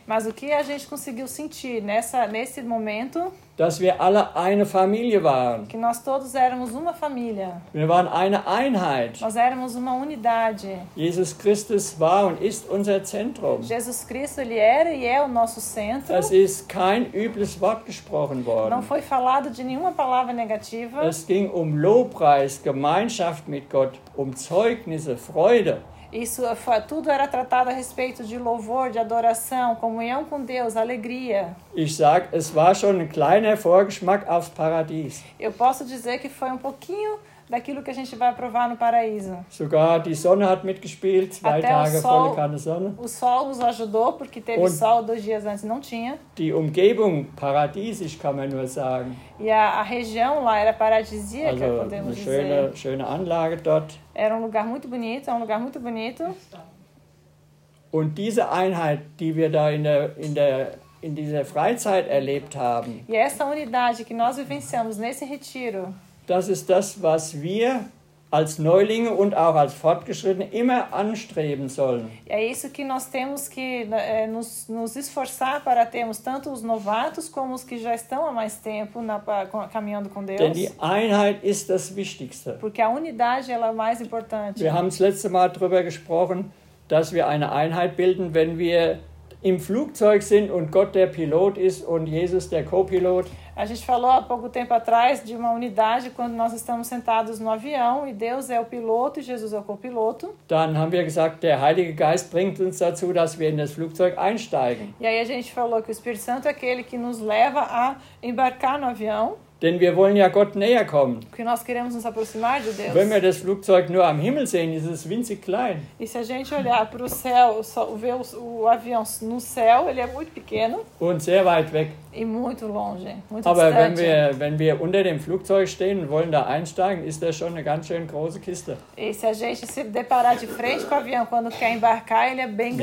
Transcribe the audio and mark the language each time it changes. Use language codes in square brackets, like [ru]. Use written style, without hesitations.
[pt] mas o que a gente conseguiu sentir nesse momento, [de] dass wir alle eine Familie waren. [pt] Que nós todos éramos uma família. [de] Wir waren eine Einheit. [pt] Nós éramos uma unidade. [de] Jesus Christus war und ist unser Zentrum. [pt] Jesus Cristo ele era e é o nosso centro. [de] Es ist kein übles Wort gesprochen worden. [pt] Não foi falado de nenhuma palavra negativa. [de] Es ging um Lobpreis, Gemeinschaft mit Gott, um Zeugnisse, Freude. [pt] Isso foi, tudo era tratado a respeito de louvor, de adoração, comunhão com Deus, alegria. [de] Ich sag, es war schon ein kleiner Vorgeschmack aufs Paradies. [pt] Eu posso dizer que foi um pouquinho daquilo que a gente vai provar no paraíso. [de] Sogar die Sonne hat mitgespielt, zwei [pt] Até [de] Tage [pt] Sol, [de] volle Kanne Sonne. [pt] O Sol nos ajudou, porque teve [de] und [pt] Sol dois dias antes, não tinha. [de] Die Umgebung paradiesisch, kann man nur sagen. [pt] E a região lá era paradisíaca, [de] also, [pt] podemos dizer. [de] Also, schöne Anlage dort. [pt] Era lugar muito bonito, um lugar muito bonito. [de] Und diese Einheit, die wir da in dieser Freizeit erlebt haben. [pt] E essa unidade que nós vivenciamos nesse retiro. [de] Das ist das, was wir als Neulinge und auch als Fortgeschrittene immer anstreben sollen. [pt] É isso que nós temos que nos esforçar para termos tanto os novatos como os que já estão há mais tempo caminhando com Deus. [de] Denn die Einheit ist das Wichtigste. [pt] Porque a unidade ela é mais importante. [de] Wir haben das letzte Mal darüber gesprochen, dass wir eine Einheit bilden, wenn wir im Flugzeug sind und Gott der Pilot ist und Jesus der Co-Pilot. [pt] A gente falou há pouco tempo atrás de uma unidade quando nós estamos sentados no avião e Deus é o piloto e Jesus é o copiloto. [de] Dann haben wir gesagt, der Heilige Geist bringt uns dazu, dass wir in das Flugzeug einsteigen. [pt] E aí a gente falou que o Espírito Santo é aquele que nos leva a embarcar no avião. [de] Denn wir wollen ja Gott näher kommen. [pt] Que nós queremos nos aproximar de Deus. [de] Wenn wir das Flugzeug nur am Himmel sehen, ist es winzig klein. [pt] E se a gente olhar para o céu, ver o avião no céu, ele é muito pequeno. [de] Und sehr weit weg. [pt] E muito longe, muito [de] Aber [pt] distante. [de] Wenn wir unter dem Flugzeug stehen und wollen da einsteigen, ist das schon eine ganz schön große Kiste. [pt] E se a gente se deparar de frente com o avião quando quer embarcar, ele é bem grande.